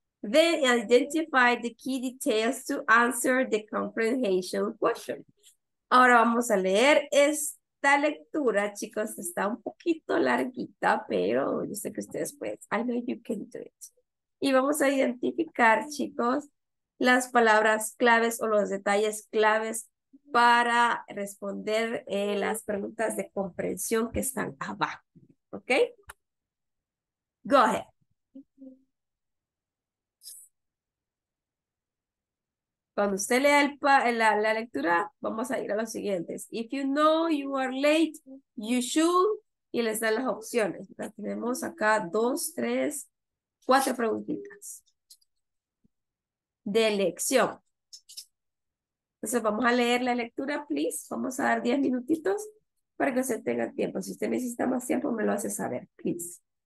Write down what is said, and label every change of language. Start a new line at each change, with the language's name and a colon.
English: Then identify the key details to answer the comprehension question.
Spanish: Ahora vamos a leer esta lectura, chicos. Está un poquito larguita, pero yo sé que ustedes pueden.
English: I know you can do it.
Spanish: Y vamos a identificar, chicos, las palabras claves o los detalles claves para responder las preguntas de comprensión que están abajo. ¿Ok?
English: Go ahead.
Spanish: Cuando usted lea la lectura, vamos a ir a los siguientes.
English: If you know you are late, you should.
Spanish: Y les dan las opciones. ¿Verdad? Tenemos acá dos, tres, cuatro preguntitas de elección. Entonces vamos a leer la lectura, please. Vamos a dar 10 minutitos para que usted tenga tiempo. Si usted necesita más tiempo, me lo hace saber, please.